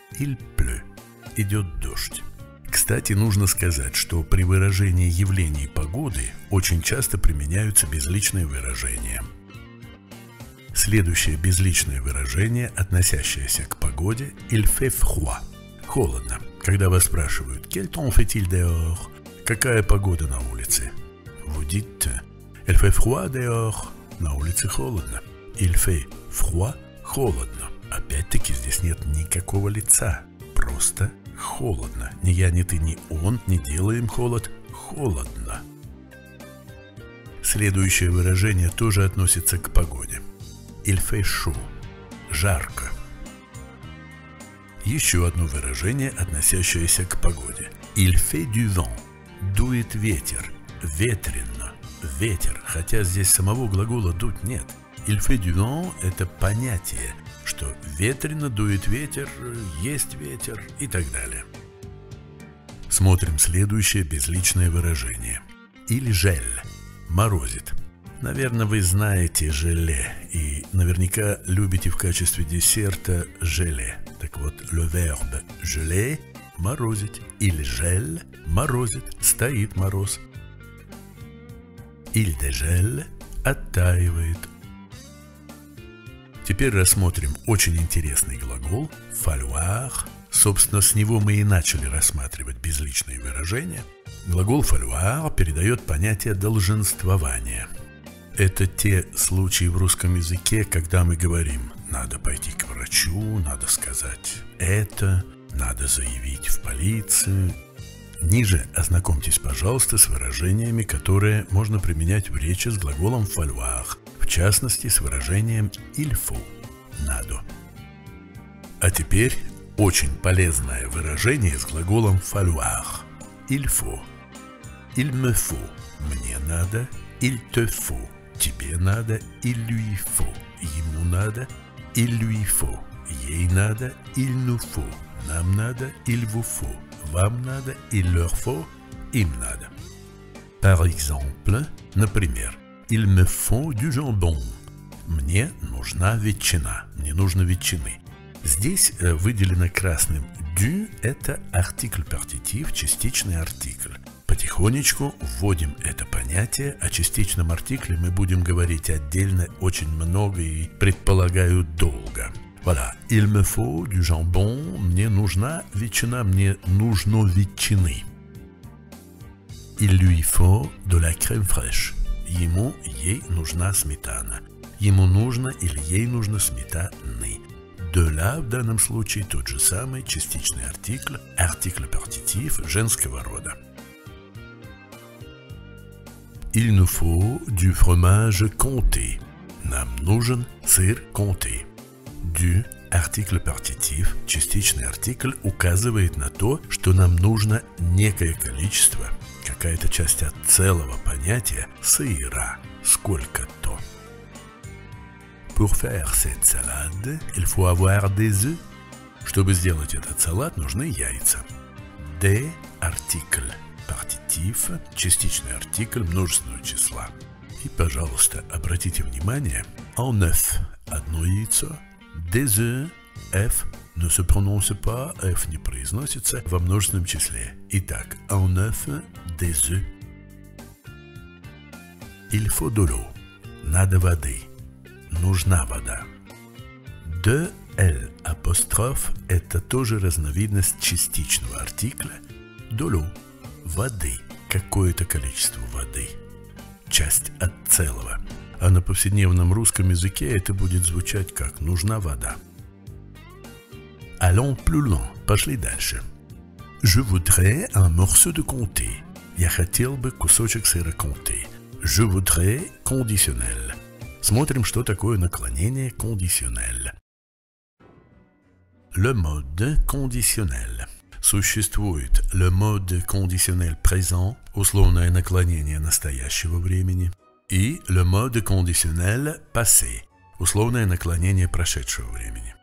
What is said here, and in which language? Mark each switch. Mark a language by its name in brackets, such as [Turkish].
[French] Il pleut. [Russian] Идет дождь. Кстати, нужно сказать, что при выражении явлений погоды очень часто применяются безличные выражения. Следующее безличное выражение, относящееся к погоде, [French] il fait froid. [Russian] Холодно. Когда вас спрашивают, [French] quel temps fait-il dehors? [Russian] Какая погода на улице? [French] Vous dites, il fait froid dehors. [Russian] На улице холодно. [French] Il fait froid. [Russian] Холодно. Опять-таки, здесь нет никакого лица. Просто холодно. Ни я, ни ты, ни он не делаем холод. Холодно. Следующее выражение тоже относится к погоде. [French] Il fait chaud. [Russian] Жарко. Еще одно выражение, относящееся к погоде. [French] Il fait du vent. [Russian] Дует ветер. Ветрено. ветер, хотя здесь самого глагола «дуть» нет. [French] «Il fait du vent» [Russian] – это понятие, что ветрено, дует ветер, есть ветер и так далее. Смотрим следующее безличное выражение. [French] «Il gèle» – [Russian] морозит. Наверное, вы знаете желе и наверняка любите в качестве десерта желе. Так вот, le verbe «geler» – морозить. [French] «Il gèle» [Russian] – морозит, стоит мороз. [French] «Il dégèle» – [Russian] оттаивает. Теперь рассмотрим очень интересный глагол «falloir». Собственно, с него мы и начали рассматривать безличные выражения. Глагол «falloir» передает понятие «долженствования». Это те случаи в русском языке, когда мы говорим «надо пойти к врачу», «надо сказать это», «надо заявить в полицию». Ниже ознакомьтесь, пожалуйста, с выражениями, которые можно применять в речи с глаголом «falloir». В частности, с выражением [French] «il faut» [Russian] – «надо». А теперь очень полезное выражение с глаголом «falloir» – [French] «il faut». «Il me faut» – [Russian] «мне надо», [French] «il te faut» – [Russian] «тебе надо», [French] «il lui faut» – [Russian] «ему надо», [French] «il lui faut» – [Russian] «ей надо», [French] «il nous faut» – [Russian] «нам надо», [French] «il vous faut» – [Russian] «вам надо», [French] «il leur faut» – [Russian] «им надо». [French] Par exemple, [Russian] например, [French] «Il me faut du jambon» [Russian] – «мне нужна ветчина», «мне нужно ветчины». Здесь выделено красным «du» – это артикль-партитив, частичный артикль. Потихонечку вводим это понятие, о частичном артикле мы будем говорить отдельно очень много и, предполагаю, долго. [French] Voilà, «Il me faut du jambon» [Russian] – «мне нужна ветчина», «мне нужно ветчины». [French] «Il lui faut de la crème fraîche» – [Russian] ему, ей нужна сметана. Ему нужно или ей нужно сметаны. De la в данном случае тот же самый частичный артикль, article partitif женского рода. [French] Il nous faut du fromage comté. [Russian] Нам нужен сыр comté. Du, article partitif, частичный артикль, указывает на то, что нам нужно некое количество, какая-то часть от целого понятия сыра, сколько-то. [French] Pour faire cette salade, il faut avoir des œufs. [Russian] Чтобы сделать этот салат, нужны яйца. Des, article, partitif, частичный артикль множественного числа. И, пожалуйста, обратите внимание, [French] en œuf, [Russian] одно яйцо, [French] des œufs, f, ne se prononce pas, [Russian] f не произносится, во множественном числе. Итак, [French] en œuf, des œufs. Il faut de l'eau. [Russian] Надо воды. Нужна вода. De l apostrophe это тоже разновидность частичного артикля. [French] De l'eau. [Russian] Воды. Какое-то количество воды. Часть от целого. А на повседневном русском языке это будет звучать как «нужна вода». [French] Allons plus loin. [Russian] Пошли дальше. [French] Je voudrais un morceau de comté. [Russian] Я хотел бы кусочек сыра comté. [French] Je voudrais conditionnel. [Russian] Смотрим, что такое наклонение conditionnel. [French] Le mode conditionnel. [Russian] Существует le mode conditionnel présent, условное наклонение настоящего времени, и le mode conditionnel passé, условное наклонение прошедшего времени.